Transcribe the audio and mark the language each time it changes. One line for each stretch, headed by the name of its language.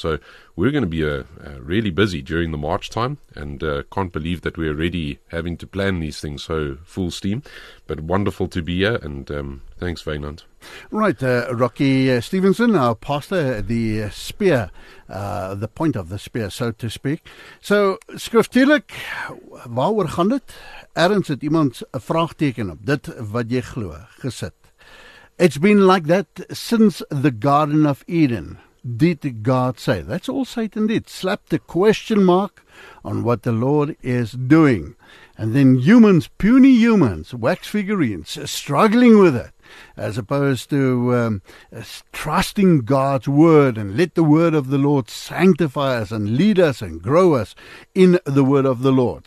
English: So we're going to be really busy during the March time, and can't believe that we're already having to plan these things so full steam. But wonderful to be here, and thanks, Vaynant. Right, Rocky Stevenson, our pastor, the spear, the point of the spear, so to speak.
Afrikaans: So, skriftuurlik, waaroor gaan dit? Ergens het iemand 'n vraagteken op dit wat jy glo gesit.
English: It's been like that since the Garden of Eden. Did God say? That's all Satan did. Slapped a question mark on what the Lord is doing. And then humans, puny humans, wax figurines, struggling with it, as opposed to trusting God's word and let the word of the Lord sanctify us and lead us and grow us in the word of the Lord.